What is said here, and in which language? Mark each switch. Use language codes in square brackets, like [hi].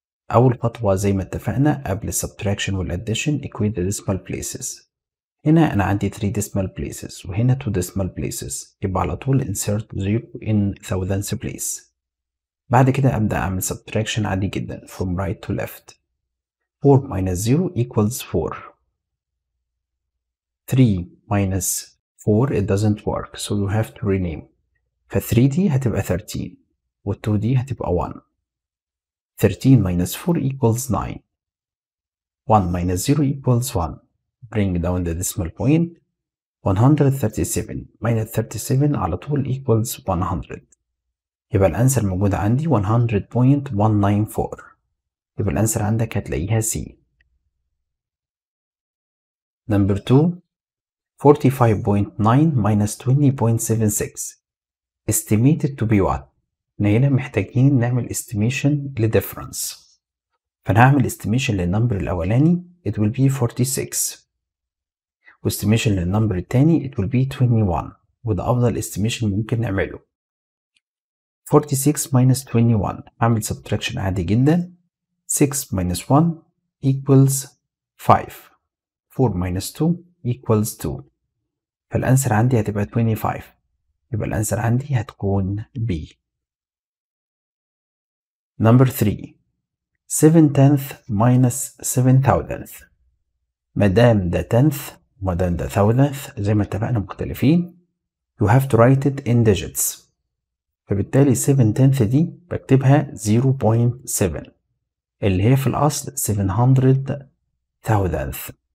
[ar] أول خطوة زي ما اتفقنا قبل subtraction والaddition [en] equate the decimal places. [ar] هنا أنا عندي 3 decimal places وهنا 2 decimal places، يبقى على طول [en] insert 0 in thousands place. [ar] بعد كده أبدأ أعمل subtraction عادي جدا [en] from right to left. 4 minus 0 equals 4. 3 minus 4 it doesn't work so you have to rename. [ar] ف 3 دي هتبقى 13 و 2 دي هتبقى 1. [en] 13 minus 4 equals 9. 1 minus 0 equals 1. Bring down the decimal point. 137 minus 37 [ar] على طول [en] equals 100. [ar] يبقى الانسر موجود عندي 100.194. يبقى الانسر عندك هتلاقيها C. [en] Number 2. 45.9 minus 20.76. Estimated to be what? [ar] هنا محتاجين نعمل estimation لdifference. فنعمل estimation للنمبر الاولاني [en] it will be 46. [ar] و estimation للنمبر التاني [en] it will be 21. [ar] وده افضل estimation ممكن نعمله. 46 minus 21 اعمل subtraction عادي جدا. [en] 6 minus 1 equals 5. 4 minus 2 equals 2. [ar] فالانسر عندي هتبقى 25. يبقى الانسر عندي هتكون B. [en] Number 3. 7 tenth minus 7 thousandth. [ar] مدام ده tenth مدام ده thousandth زي ما اتفقنا مختلفين. [en] You have to write it in digits. [ar] فبالتالي 7 tenth دي بكتبها 0.7 اللي هي في الأصل 700 thousandth.